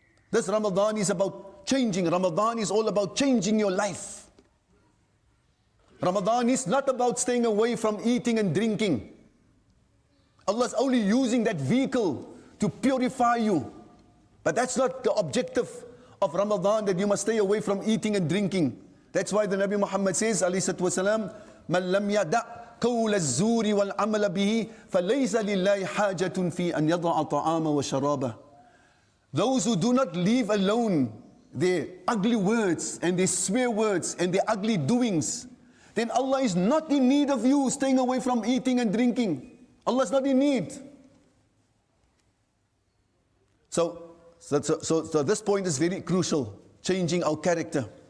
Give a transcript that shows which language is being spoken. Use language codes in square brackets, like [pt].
[en] This Ramadan is about changing. Ramadan is all about changing your life. Ramadan is not about staying away from eating and drinking. Allah is only using that vehicle to purify you. But that's not the objective of Ramadan, that you must stay away from eating and drinking. That's why the Nabi Muhammad says, [ar] alayhi salatu wasalam, مَنْ لَمْ يَدَعْ قَوْلَ الزُّورِ وَالْعَمَلَ بِهِ فَلَيْسَ لِلَّهِ حَاجَةٌ فِي أَنْ يَضَعَ طَعَامَ وَشَرَابَهِ. [en] Those who do not leave alone their ugly words and their swear words and their ugly doings, then Allah is not in need of you staying away from eating and drinking. Allah is not in need. So this point is very crucial, changing our character.